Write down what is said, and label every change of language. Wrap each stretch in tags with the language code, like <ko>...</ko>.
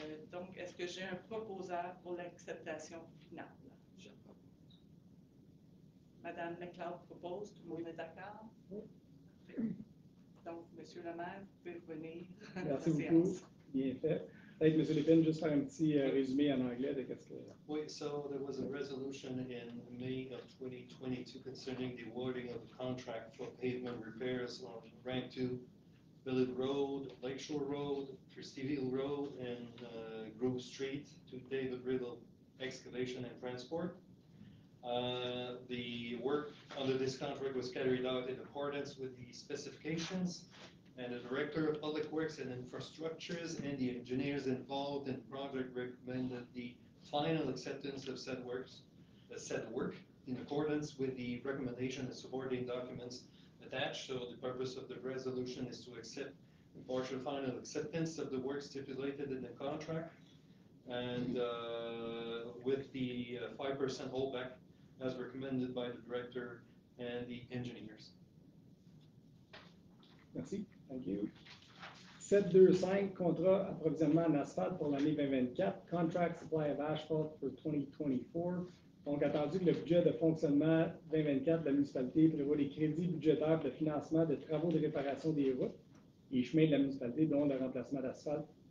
<fr>Donc, est-ce que j'ai un proposeur pour l'acceptation finale? Madame McLeod propose, tout le monde est d'accord? Oui. Donc, Monsieur le maire, vous pouvez revenir. Merci beaucoup. Bien fait. Peut-être, Monsieur Lépine, juste faire un petit résumé en anglais de qu'est-ce que.</fr> <en>Oui, so there was a resolution in May of 2022 concerning the awarding of a contract for pavement repairs on Rank 2, Village Road, Lakeshore Road, Christieville Road, and Grove Street to David Riddle Excavation and Transport. The work under this contract was carried out in accordance with the specifications, and the Director of Public Works and Infrastructures and the engineers involved in the project recommended the final acceptance of said work in accordance with the recommendation and supporting documents attached. So the purpose of the resolution is to accept the partial final acceptance of the work stipulated in the contract and with the 5% holdback as recommended by the director and the engineers.</en> <fr>Merci.</fr> <en>Thank you.</en> <fr>725, contrat approvisionnement en asphalte pour l'année 2024,</fr> <en>contract supply of asphalt for 2024.</en> <fr>Donc, attendu que le budget de fonctionnement 2024 de la municipalité prévoit des crédits budgétaires de financement de travaux de réparation des routes et chemins de la municipalité, dont le remplacement d'asphalte,</fr>